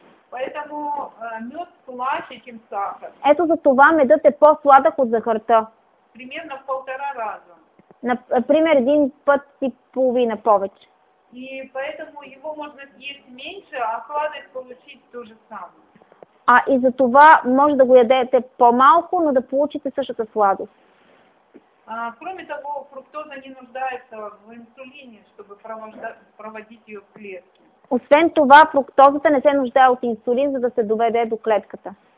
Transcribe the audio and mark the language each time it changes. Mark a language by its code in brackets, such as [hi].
[ru] Поэтому мед слаще, чем сахар. [bg] Ето затова медът е по-сладък от захарта. [ru] Примерно в полтора раза. [bg] Например, един път и половина повече. [ru] И поэтому его можно съесть меньше, а сладость получить то же самое. [bg] А и за това може да го ядете по-малко, но да получите същата сладост. [ru] Кроме того, фруктоза не нуждается в инсулине, чтобы проводить ее в клетке. [bg] Освен това, фруктозата не се нуждае от инсулин, за да се доведе до клетката.